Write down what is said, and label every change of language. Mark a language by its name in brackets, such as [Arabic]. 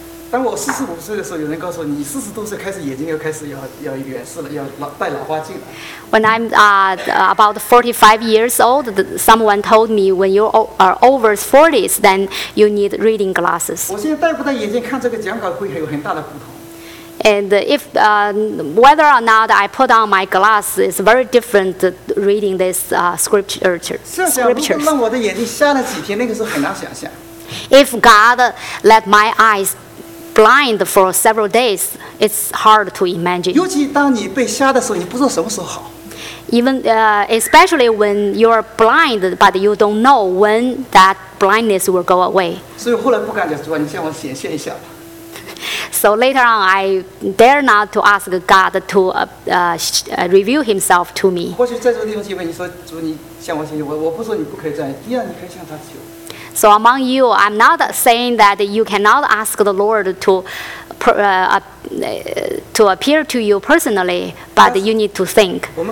[Chinese] 当我四十五岁的时候，有人告诉我，你四十多岁开始眼睛要开始要远视了，要戴老花镜了。 [English] When I'm about 45 years old, someone told me when you are over 40s, then you need reading glasses. [Chinese] 我现在戴不戴眼镜看这个讲稿会有很大的不同。 [English] And if whether or not I put on my glasses, it's very different reading this scripture. [Chinese] 让我的眼睛瞎了几天，那个是很难想象。 [English] If God let my eyes blind for several days, it's hard to imagine. [Chinese] 尤其当你被瞎的时候，你不知道什么时候好。 [English] Even especially when you're blind, but you don't know when that blindness will go away. [Chinese] 所以后来不敢讲主啊，你向我显现一下吧。 [English] So later on, I dare not to ask God to reveal Himself to me. [Chinese] 或许在这个地方，你说主，你向我显现，我不说你不可以这样，第二你可以向他求。 [English] So among you, I'm not saying that you cannot ask the Lord to appear to you personally, but you need to think.